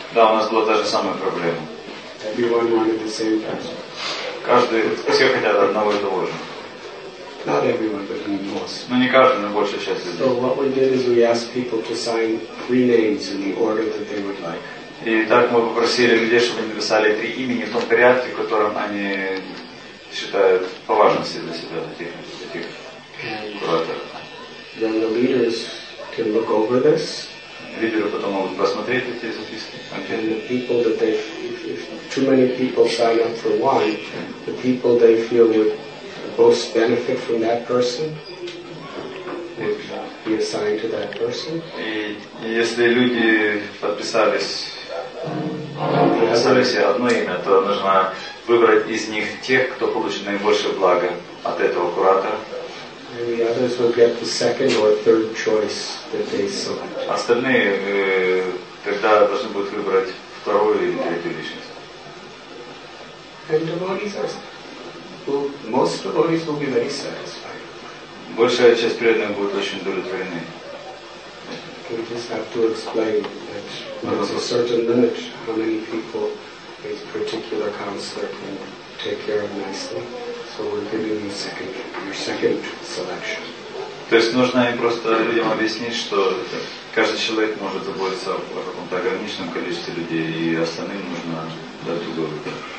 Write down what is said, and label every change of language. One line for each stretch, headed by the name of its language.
Russian: Да, у нас была та же самая проблема.
English: Everyone wanted the same person.
Russian: Каждый, все хотят одного и того же.
English: Not everyone, but we lost.
Russian: Но не каждый, но большая часть из них.
English: So what we did is we asked people to sign three names in the order that they would like.
Russian: И так мы попросили людей, чтобы они написали три имени в том порядке, в котором они считают по важности для себя этих кураторов.
English: Then the leaders can look over this.
Russian: Лидеры потом могут посмотреть эти записки.
English: Okay. And the people that they, if too many people sign up for one, the people they feel would most benefit from that person would be assigned to that person.
Russian: И если люди подписались одно имя, то нужно выбрать из них тех, кто получит наибольшее благо от этого куратора.
English: And the others will get the second or third choice that they select.
Russian: Остальные тогда должны будут выбрать вторую или третью личность.
English: And devotees are, most devotees will be very satisfied.
Russian: Большая часть преданных будет очень удовлетворены.
English: We just have to explain that there's a certain limit how many people a particular counselor can take care of nicely. So we're giving you your second selection.
Russian: То есть нужно им просто людям объяснить, что каждый человек может заботиться о каком-то ограниченном количестве людей, и остальным нужно дать другой выбор.